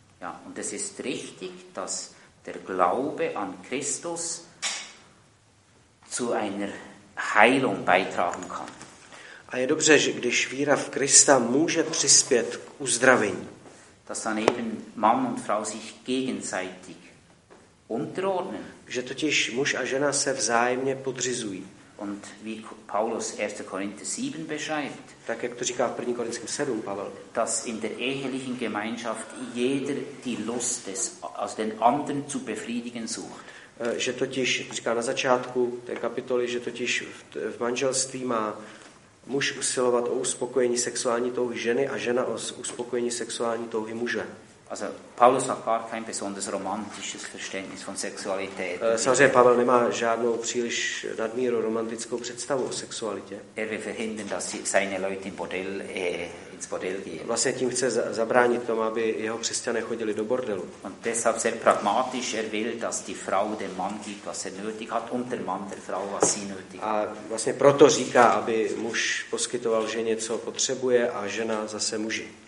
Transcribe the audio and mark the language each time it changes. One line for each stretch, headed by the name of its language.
German: Ja, und es ist richtig, dass der Glaube an Christus zu einer Heilung beitragen kann.
Czech: A je dobře, že když víra v Krista může přispět k uzdravení.
German: Dass dann eben Mann und Frau sich gegenseitig unterordnen.
Czech: Že totiž muž a žena se vzájemně podřizují.
German: Und wie Paulus 1. Korinther 7 beschreibt.
Czech: Tak jak to říká v 1. Korinském 7 Pavel.
German: Dass in der ehelichen Gemeinschaft jeder die Lust des aus den anderen zu befriedigen sucht.
Czech: Že totiž říká na začátku té kapitoly, že totiž v manželství má muž usilovat o uspokojení sexuální touhy ženy a žena o uspokojení sexuální touhy muže.
German: Also Paulus hat gar kein besonders romantisches Verständnis von Sexualität.
Czech: Samozřejmě Pavel nemá žádnou příliš nadmíru romantickou představu o sexualitě.
German: Er will verhindern, dass seine Leute im Bordell ins Bordell gehen.
Czech: Vlastně tím chce zabránit tomu, aby jeho křesťané chodili do bordelu.
German: Und deshalb sehr pragmatisch, er will, dass die Frau dem Mann gibt, was er nötig hat, und der Mann der Frau, was sie nötig hat.
Czech: A vlastně proto říká, aby muž poskytoval ženě, co potřebuje, a žena zase muži.